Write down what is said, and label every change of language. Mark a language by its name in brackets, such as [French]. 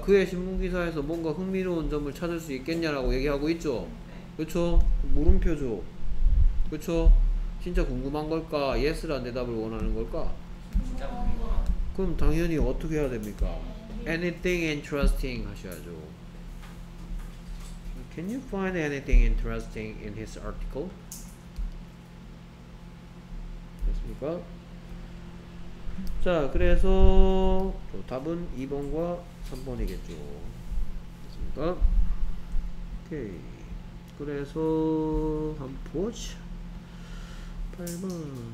[Korean] 그의 신문기사에서 뭔가 흥미로운 점을 찾을 수 있겠냐라고 얘기하고 있죠? 그쵸? 물음표죠? 그쵸? 진짜 궁금한 걸까? 예스란 대답을 원하는 걸까? 진짜 궁금한. 그럼 당연히 어떻게 해야 됩니까? [English] Anything interesting [Korean] 하셔야죠. [English] Can you find anything interesting in his article? [Korean] 됐습니까? 자, 그래서 답은 2번과 3번이겠죠. 됐습니까? 오케이. 그래서 한번 보자. 8번.